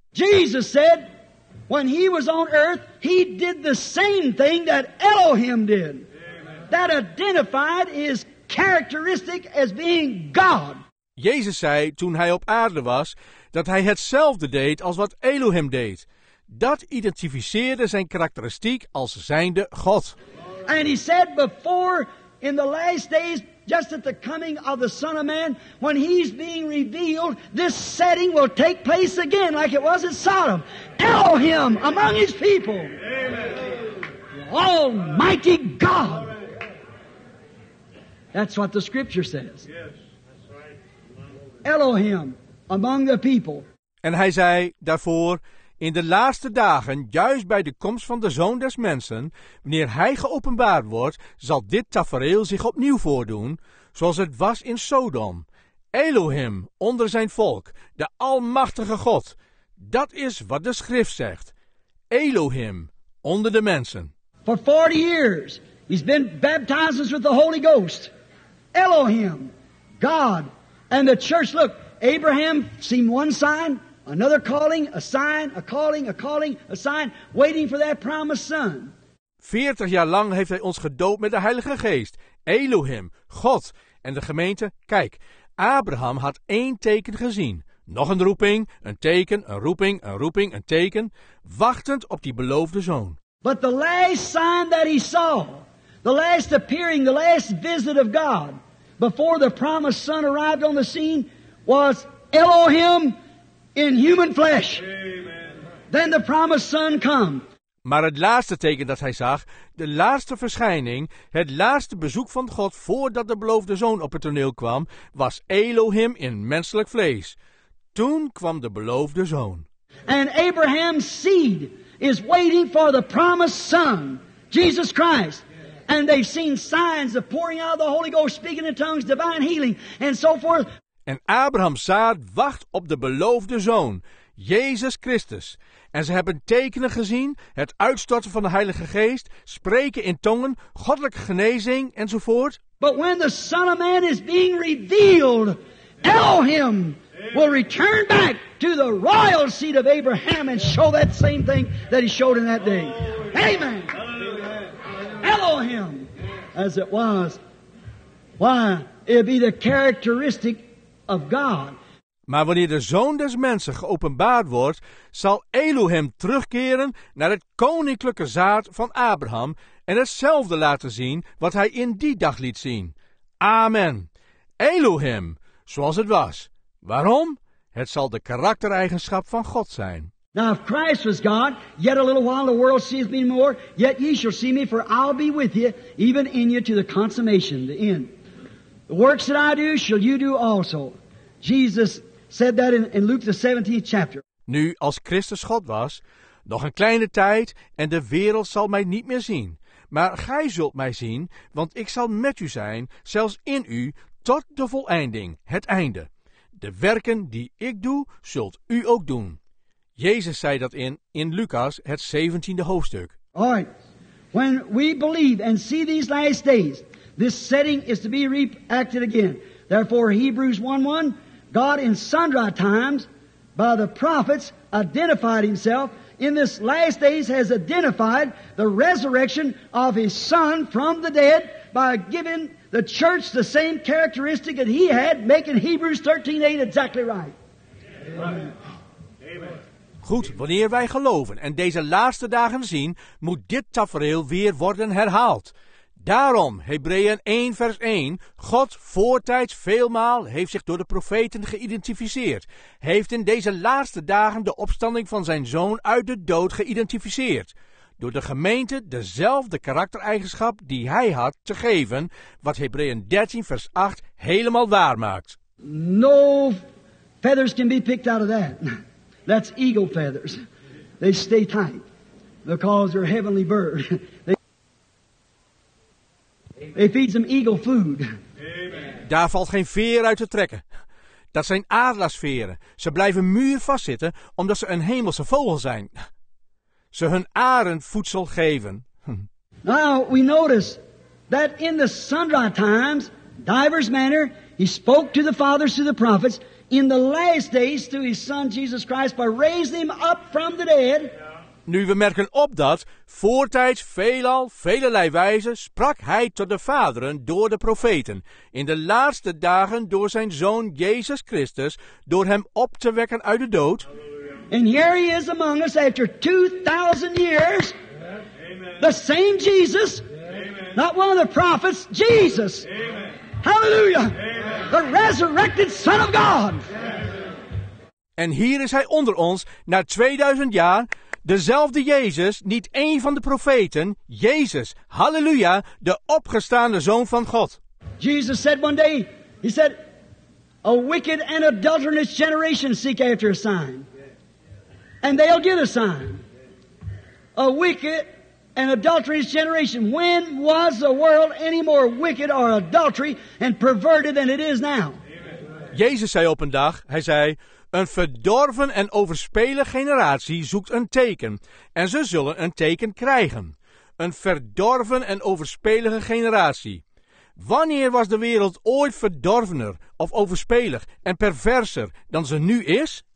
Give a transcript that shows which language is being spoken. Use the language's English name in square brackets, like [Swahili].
[English] Jesus said, when he was on earth, he did the same thing that Elohim did. That identified his characteristic as being God. [Dutch] Jezus zei toen hij op aarde was, dat hij hetzelfde deed als wat Elohim deed. Dat identificeerde zijn karakteristiek als zijnde God. [English] And he said before, in the last days, just at the coming of the Son of Man, when he's being revealed, this setting will take place again like it was in Sodom. Elohim among his people. Amen. Almighty God. That's what the scripture says. Yes, that's right. Elohim among the people. [Dutch] En hij zei daarvoor, in de laatste dagen, juist bij de komst van de Zoon des Mensen, wanneer hij geopenbaard wordt, zal dit tafereel zich opnieuw voordoen, zoals het was in Sodom. Elohim onder zijn volk, de almachtige God. Dat is wat de schrift zegt. Elohim onder de mensen. [English] For 40 years he's been baptized with the Holy Ghost. Elohim, God, and the church. Look, Abraham seemed one sign. Another calling, a sign, a calling, a calling, a sign, waiting for that promised son. [Dutch] 40 jaar lang heeft hij ons gedoopt met de Heilige Geest, Elohim, God en de gemeente. Kijk, Abraham had één teken gezien, nog een roeping, een teken, een roeping, een teken, wachtend op die beloofde zoon. [English] But the last sign that he saw, the last appearing, the last visit of God, before the promised son arrived on the scene, was Elohim in human flesh. Amen. Then the promised son come. [Dutch] Maar het laatste teken dat hij zag, de laatste verschijning, het laatste bezoek van God voordat de beloofde zoon op het toneel kwam, was Elohim in menselijk vlees. Toen kwam de beloofde zoon. [English] And Abraham's seed is waiting for the promised son, Jesus Christ. And they've seen signs of pouring out of the Holy Ghost, speaking in tongues, divine healing, and so forth. [Dutch] En Abraham's zaad wacht op de beloofde zoon, Jezus Christus. En ze hebben tekenen gezien, het uitstorten van de Heilige Geest, spreken in tongen, goddelijke genezing enzovoort. [English] But when the Son of Man is being revealed, Elohim will return back to the royal seed of Abraham and show that same thing that he showed in that day. Amen. Elohim, as it was. Why? It'd be the characteristic of God. [Dutch] Maar wanneer de Zoon des Mensen geopenbaard wordt, zal Elohim terugkeren naar het koninklijke zaad van Abraham en hetzelfde laten zien wat hij in die dag liet zien. Amen. Elohim, zoals het was. Waarom? Het zal de karaktereigenschap van God zijn. [English] Now if Christ was God, yet a little while the world seeth me more, yet ye shall see me, for I'll be with you, even in you to the consummation, the end. The works that I do, shall you do also. Jesus said that in Luke the 17th chapter. [Dutch] Nu als Christus God was, nog een kleine tijd en de wereld zal mij niet meer zien. Maar gij zult mij zien, want ik zal met u zijn, zelfs in u, tot de volleinding, het einde. De werken die ik doe, zult u ook doen. Jezus zei dat in Lucas, het 17e hoofdstuk. [English] All right. When we believe and see these last days, this setting is to be reacted again. Therefore, Hebrews 1:1, God in sundry times by the prophets identified himself in this last days has identified the resurrection of his son from the dead by giving the church the same characteristic that he had, making Hebrews 13:8 exactly right. Amen. [Dutch] Goed, wanneer wij geloven en deze laatste dagen zien, moet dit tafereel weer worden herhaald. Daarom, Hebreeën 1 vers 1, God voortijds veelmaal heeft zich door de profeten geïdentificeerd, heeft in deze laatste dagen de opstanding van zijn zoon uit de dood geïdentificeerd, door de gemeente dezelfde karaktereigenschap die hij had te geven, wat Hebreeën 13 vers 8 helemaal waar maakt. [English] No Feathers can be picked out of that. That's eagle feathers. They stay tight because they're heavenly birds. They feed them eagle food. Amen. [Dutch] Daar valt geen veer uit te trekken. Dat zijn adelaarsveren. Ze blijven muurvast zitten omdat ze een hemelse vogel zijn. Ze hun arend voedsel geven. [English] Now we notice that in the sundry times, divers manner, he spoke to the fathers through the prophets. In the last days through his son Jesus Christ by raising him up from the dead. [Dutch] Nu we merken op dat voortijds veelal, velerlei wijze sprak hij tot de vaderen door de profeten. In de laatste dagen door zijn zoon Jezus Christus, door hem op te wekken uit de dood. [English] And here he is among us after 2000 years. Amen. The same Jesus. Amen. Not one of the prophets, Jesus. Amen. Hallelujah. Amen. The resurrected Son of God. [Dutch] En hier is hij onder ons na 2000 jaar. Dezelfde Jezus, niet één van de profeten, Jezus, halleluja, de opgestaande Zoon van God. [English] Jesus said one day, he said, a wicked and adulterous generation seek after a sign, and they'll get a sign. A wicked and adulterous generation. When was the world any more wicked or adultery and perverted than it is now? Amen. [Dutch] Jezus zei op een dag, hij zei, een verdorven en overspelen generatie zoekt een teken, en ze zullen een teken krijgen. Een verdorven en overspelige generatie. Wanneer was de wereld ooit verdorvener of overspelig en perverser dan ze nu is?